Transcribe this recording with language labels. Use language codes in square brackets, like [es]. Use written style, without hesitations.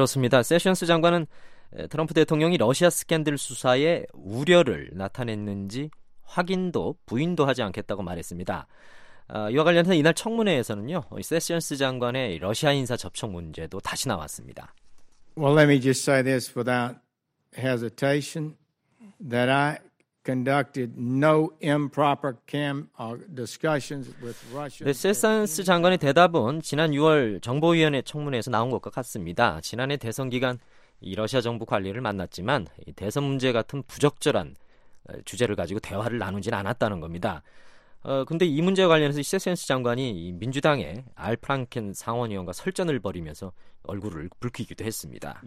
[ko] 그렇습니다. 세션스 장관은 트럼프 대통령이 러시아 스캔들 수사에 우려를 나타냈는지 확인도 부인도 하지 않겠다고 말했습니다. 이와 관련해서 이날 청문회에서는요, 세션스 장관의 러시아 인사 접촉 문제도 다시 나왔습니다. [en] Well, let me just say this without hesitation that I conducted no improper discussions with Russian. [ko] 네, 세션스 장관의 대답은 지난 6월 정보위원회 청문회에서 나온 것과 같습니다. 지난해 대선 기간 이 러시아 정부 관리를 만났지만 이 대선 문제 같은 부적절한 주제를 가지고 대화를 나누진 않았다는 겁니다. 근데 이 문제와 관련해서 세션스 장관이 민주당의 알 프랑켄 상원의원과 설전을 벌이면서 얼굴을 붉히기도 했습니다.